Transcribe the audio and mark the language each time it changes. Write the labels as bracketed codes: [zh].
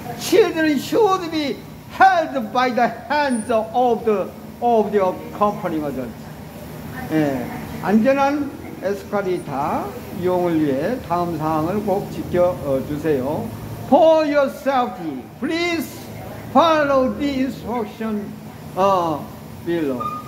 [en] Children should be held by the hands of the accompanying adults. [ko] 예, 안전한 에스컬레이터 이용을 위해 다음 사항을 꼭 지켜주세요. [en] For your safety, please follow the instruction below.